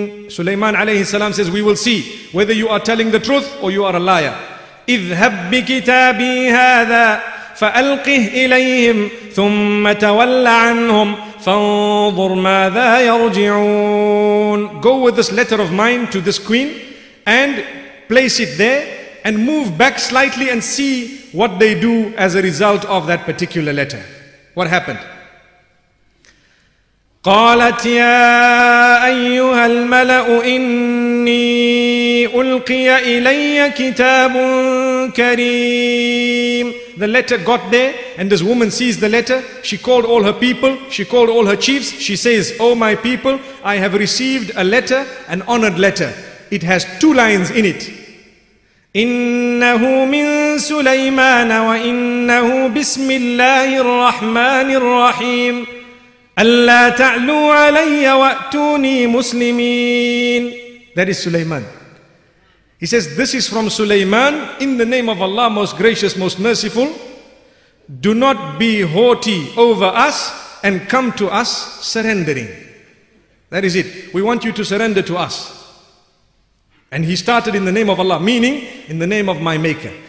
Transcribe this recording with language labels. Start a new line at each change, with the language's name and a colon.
English: Sulayman alayhi salam says, we will see whether you are telling the truth or you are a liar.
Arabic: اذهب بكتابي هذا فألقه إليهم ثم تول عنهم فانظر ماذا يرجعون.
English: Go with this letter of mine to this queen and place it there and move back slightly and see what they do as a result of that particular letter. What happened?
Arabic: قالت يا أيها الملأ إني ألقي إلي كتاب كريم.
English: The letter got there and this woman sees the letter. She called all her people, she called all her chiefs. She says, oh my people, I have received a letter, an honored letter. It has two lines in it.
Arabic: إنه من سليمان وإنه بسم الله الرحمن الرحيم ألا تعلوا علي وأتوني مسلمين.
English: That is Sulayman. He says, this is from Sulayman. In the name of Allah, most gracious, most merciful, do not be haughty over us and come to us surrendering. That is it. We want you to surrender to us. And he started in the name of Allah, meaning in the name of my maker.